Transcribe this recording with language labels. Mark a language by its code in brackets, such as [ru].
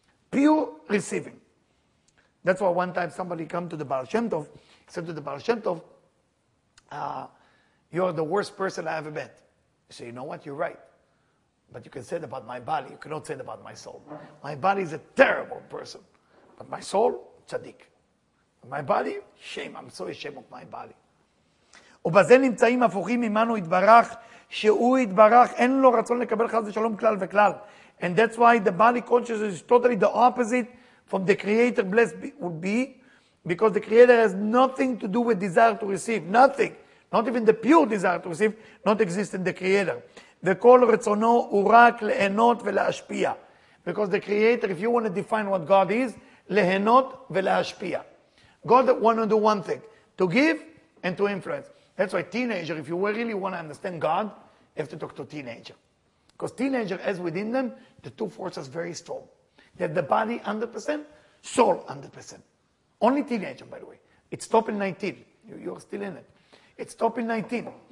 [en] Pure receiving. That's why one time somebody came to the Baal Shem Tov, said to the Baal Shem Tov, you're the worst person I ever met. He said, you know what, you're right. But you can say it about my body, you cannot say it about my soul. My body is a terrible person. But my soul, tzaddik. My body, shame, I'm so ashamed of my body. [he] ובזה נמצאים הפוכים ממנו יתברך, שהוא יתברך, אין לו רצון לקבל חס ושלום כלל וכלל. [en] And that's why the body consciousness is totally the opposite from the creator blessed would be, because the creator has nothing to do with desire to receive, nothing. Not even the pure desire to receive, not exist in the creator. [he] וכל רצונו הוא רק להנות ולהשפיע. [en] Because the creator, if you want to define what God is, [he] להנות ולהשפיע. [en] God wants to do one thing, to give and to influence. That's why teenager, if you really want to understand God, you have to talk to teenager. Because teenager has within them the two forces very strong. They have the body 100%, soul 100%. Only teenager, by the way. It's top in 19. You're still in it. It's top in 19.